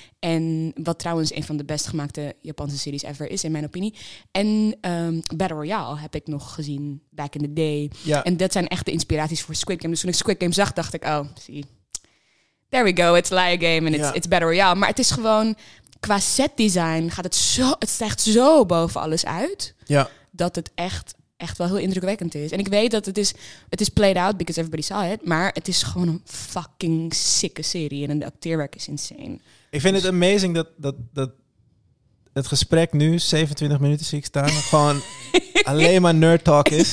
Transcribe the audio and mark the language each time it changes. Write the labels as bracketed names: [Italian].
[Dutch] En wat trouwens een van de best gemaakte Japanse series ever is, in mijn opinie. En Battle Royale heb ik nog gezien [English] back in the day. [Dutch] Ja. En dat zijn echt de inspiraties voor Squid Game. Dus toen ik Squid Game zag, dacht ik, oh, see. [English] There we go, it's Liar Game and it's Battle Royale. [Dutch] Maar het is gewoon, qua set design gaat het zo, het stijgt zo boven alles uit. Ja. Dat het echt wel heel indrukwekkend is. En ik weet dat het is [English] played out because everybody saw it, [Dutch] maar het is gewoon een fucking sicke serie en de acteerwerk is insane. Ik vind het amazing dat het gesprek nu 27 minuten zie ik staan gewoon alleen maar nerd talk is.